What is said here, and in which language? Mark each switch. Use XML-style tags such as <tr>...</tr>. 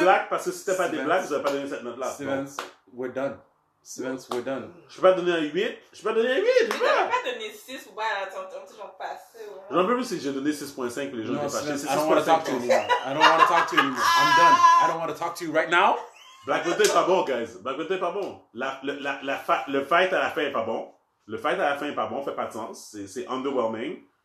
<fr>Parce que c'était pas des blacks, vous avez pas donné cette note là.</fr> <en>Stevens, we're done. Stevens, we're done.</en> <fr>Je peux pas donner un 8. Tu n'as pas donné 6 ou pas, attends, tu vas passer. J'en peux plus si j'ai donné 6.5 pour les gens qui passent.</fr> <en>I don't want to talk to you anymore. I'm done. I don't want to talk to you right now.</en> <fr>Black Widow est pas bon, guys. Black Widow est pas bon. Le fight à la fin est pas bon. Le fight à la fin est pas bon, fait pas de sens. C'est underwhelming.</fr>